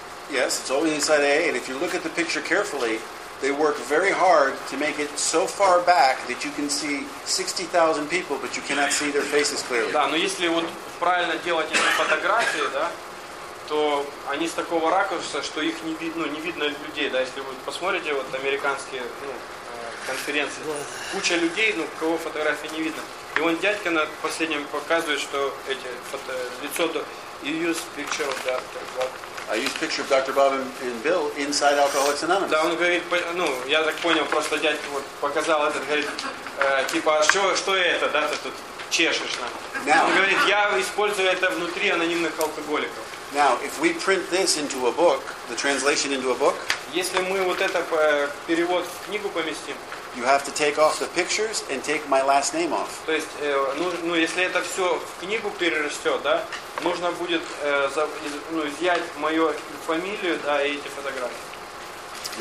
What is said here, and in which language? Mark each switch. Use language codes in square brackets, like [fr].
[en] Yes, it's only inside AA, and if you look at the picture carefully, they work very hard to make it so far back that you can see 60,000 people, but you cannot see their faces clearly. [ru] Да, но если вот правильно делать эти фотографии, да? То они с такого ракурса, что их не видно, ну, не видно людей, да, если вы посмотрите вот американские, ну, конференции, куча людей, ну, кого фотографии не видно. И вон дядька на последнем показывает, что эти фото, лицо, [en] you use picture of Dr. Bob. I use picture of Dr. Bob and Bill inside Alcoholics Anonymous. [ru] Да, он говорит, ну, я так понял, просто дядька вот показал этот, говорит, типа, а что это, да, ты тут чешешь, да. Он говорит, я использую это внутри анонимных алкоголиков. [en] Now, if we print this into a book, the translation into a book, [ru] если мы вот это перевод в книгу поместим, [en] you have to take off the pictures and take my last name off. [ru] То есть, ну, если это все в книгу перерастет, да, нужно будет изъять мою фамилию, да, и эти фотографии.